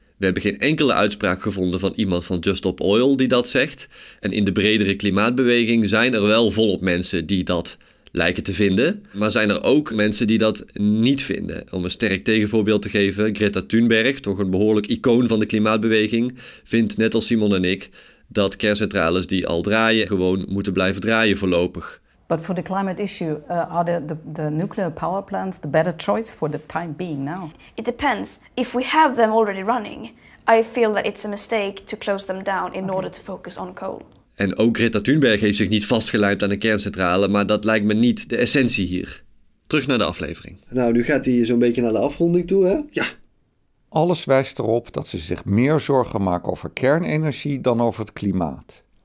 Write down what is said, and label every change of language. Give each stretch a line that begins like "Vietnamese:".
Dutch: We hebben geen enkele uitspraak gevonden van iemand van Just Stop Oil die dat zegt. En in de bredere klimaatbeweging zijn er wel volop mensen die dat lijken te vinden. Maar zijn er ook mensen die dat niet vinden? Om een sterk tegenvoorbeeld te geven, Greta Thunberg, toch een behoorlijk icoon van de klimaatbeweging, vindt net als Simon en ik dat kerncentrales die al draaien gewoon moeten blijven draaien voorlopig.
English: But for the climate issue, are the nuclear power plants the better choice for the time being now? It depends. If we have them already running, I feel that it's a mistake to close them down in order to focus on coal.
Dutch: En ook Greta Thunberg heeft zich niet vastgelijmd aan de kerncentrale, maar dat lijkt me niet de essentie hier. Terug naar de aflevering. Nou, nu gaat hij zo'n beetje naar de afronding toe, hè? Ja. Alles wijst erop dat ze zich meer zorgen maken over kernenergie dan over het klimaat.